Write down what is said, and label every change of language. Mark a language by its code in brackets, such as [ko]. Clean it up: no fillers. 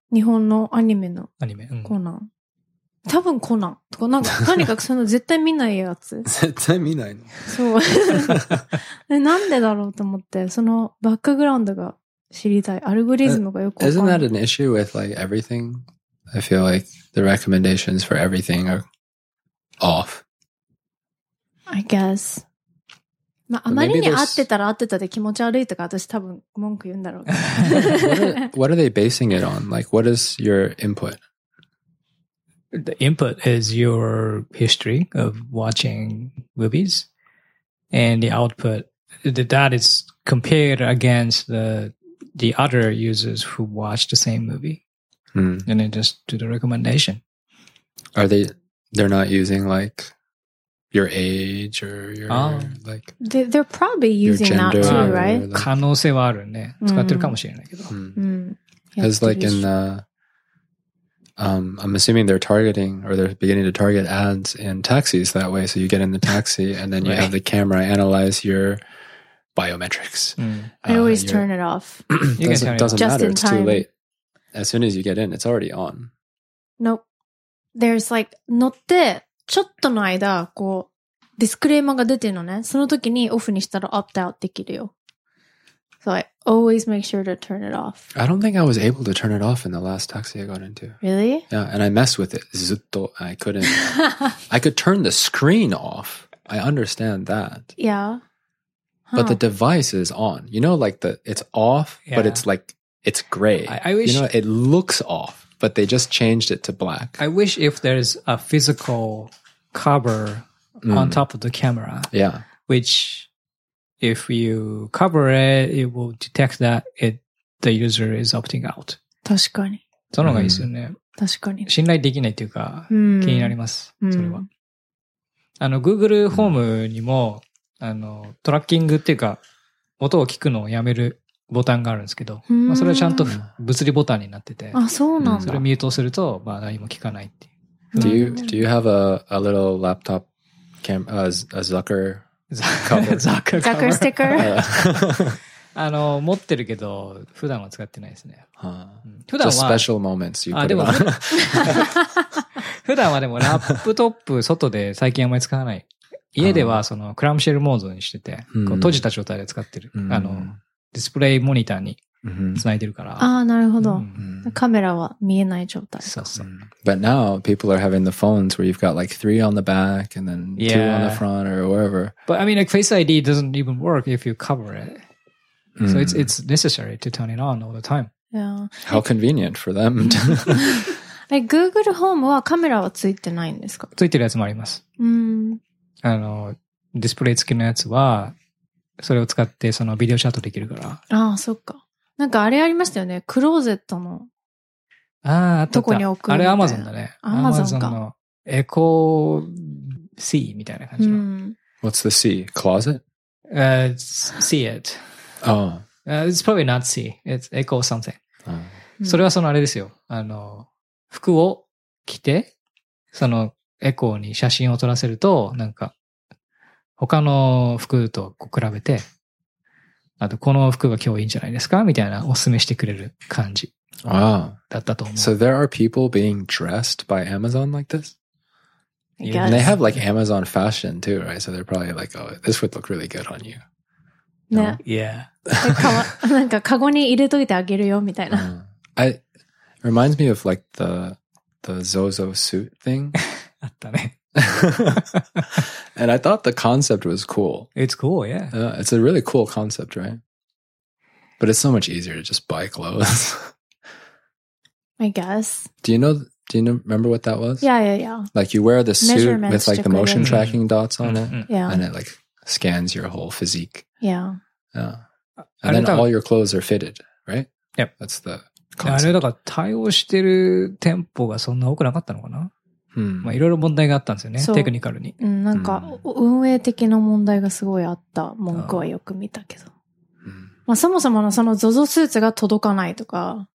[ja] 日本のアニメの。アニメ？うん。コナン。多分コナン。とか、なんか、とにかくその絶対見ないやつ。絶対見ないの？そう。なんでだろうと思って、そのバックグラウンドが。知りたい。アルゴリズムがよくわかんない。 [en] Isn't that an issue with like everything? I feel like the recommendations for everything are off. I guess. [ja] まあ、あまりに合ってたら合ってたで気持ち悪いとか私多分文句言うんだろう。 [en] what are they basing it on? Like, what is your input? The input is your history of watching movies. And the output, that is compared against the other users who watch the same movie. And then just do the recommendation. Are they, they're not using like your age or your, like, they're probably using that too, right? [ja] 可能性はあるね。使ってるかもしれないけど。 [en] Because like in the, I'm assuming they're targeting or they're beginning to target ads in taxis that way. So you get in the taxi and then you have the camera analyze your,biometrics. I always turn it off. It doesn't matter. It's too late. As soon as you get in, it's already on. Nope. There's like, [ja] 乗ってちょっとの間こうディスクレーマーが出てるのね。その時にオフにしたらオプトアウトできるよ。 [en] So I always make sure to turn it off. I don't think I was able to turn it off in the last taxi I got into. Really? Yeah, and I messed with it. ずっと I couldn't. I could turn the screen off. I understand that. Yeah. But the device is on. You know, like, it's off, but it's like, it's gray. I wish, you know, it looks off. but they just changed it to black. I wish if there's a physical cover on top of the camera. Yeah. Which if you cover it, it will detect that the user is opting out. [ja] 確かに。そのがいいですよね。確かに。信頼できないというか、気になります。それは。Google ホームにも、トラッキングっていうか、音を聞くのをやめるボタンがあるんですけど、まあ、それはちゃんと物理ボタンになってて、あ、そうなんだ。それをミュートすると、まあ何も聞かないっていう。 [en] Do you have a little laptop cam, a Zucker cover? Zucker sticker? [ja] 持ってるけど、普段は使ってないですね。普段は。 [en] Just special moments you put on. [ja] 普段はでもラップトップ外で最近あんまり使わない。家ではそのクラムシェルモードにしてて、こう閉じた状態で使ってる。ディスプレイモニターに繋いでるから。ああ、なるほど。カメラは見えない状態。そうそう。 [en] But now people are having the phones where you've got like three on the back and then two on the front or wherever. But I mean, like Face ID doesn't even work if you cover it. So it's necessary to turn it on all the time. Yeah. How convenient for them. [ja] Google Home はカメラはついてないんですか？ついてるやつもあります。ディスプレイ付きのやつは、それを使ってそのビデオシャットできるから。ああ、そっか。なんかあれありましたよね。クローゼットの。ああ、どこに置くあれ Amazon だね。 Amazon のエコーシーみたいな感じの。 [en] What's the C? Closet? See it. Oh. It's probably not C. It's echo something. [ja] それはそのあれですよ。服を着て、そのエコーに写真を撮らせると、なんか、他の服と比べて、あと、この服が今日いいんじゃないですかみたいなおすすめしてくれる感じだったと思う。 [en] Wow. So there are people being dressed by Amazon like this? I guess. And they have like Amazon fashion too, right? So they're probably like, oh, this would look really good on you. No? Yeah. [ja] なんか、カゴに入れといてあげるよ、みたいな。 [en] Reminds me of like the Zozo suit thing. [ja] あったね。 [en] And I thought the concept was cool. It's cool, yeah. It's a really cool concept, right? But it's so much easier to just buy clothes. I guess. Do you remember what that was? Yeah. Like you wear the suit with like the motion tracking dots on it. Yeah. And it like scans your whole physique. Yeah. Yeah. And then all your clothes are fitted, right? Yep. That's the [ja] あれだから対応してる店舗がそんな多くなかったのかな、まあいろいろ問題があったんですよね、テクニカルに。なんか、運営的な問題がすごいあった文句はよく見たけど。まあそもそものその ZOZO スーツが届かないとか。